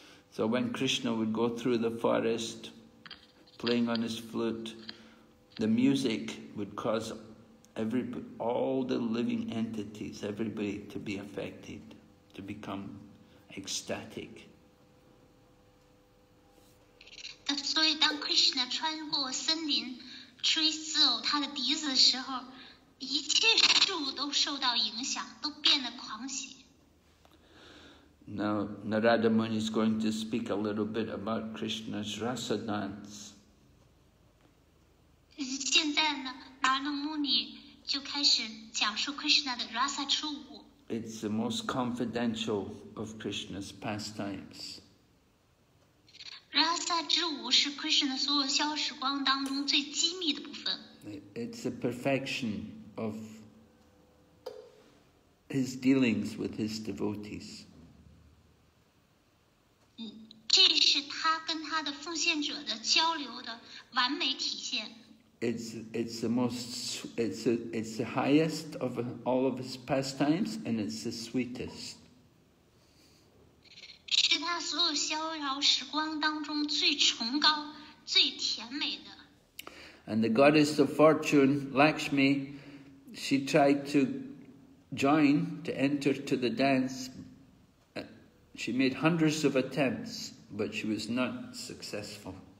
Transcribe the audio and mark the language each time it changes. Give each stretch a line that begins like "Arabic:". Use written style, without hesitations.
English: So when Krishna would go through the forest, playing on his flute. The music would cause all the living entities, everybody to be affected, to become ecstatic.
Chinese: 所以当 Krishna 穿过森林吹奏他的笛子的时候，一切事物都受到影响，都变得狂喜。
English: Now Narada Muni is going to speak a little bit about Krishna's rasa dance.
Chinese: 现在呢 Narada Muni 就开始讲述 Krishna 的 Rasa 初舞。
English: It's the most confidential of Krishna's pastimes.
Chinese: Rasa 之舞是 Krishna 所有消时光当中最机密的部分。
English: It's the perfection of his dealings with his devotees.
Chinese: 这是他跟他的奉献者的交流的完美体现。
English: It's the highest of all of his pastimes, and it's the sweetest.
Chinese: 是他所有逍遥时光当中最崇高、最甜美的。
English: And the goddess of fortune, Lakshmi, she tried to join to enter to the dance. She made hundreds of attempts, but she was not successful.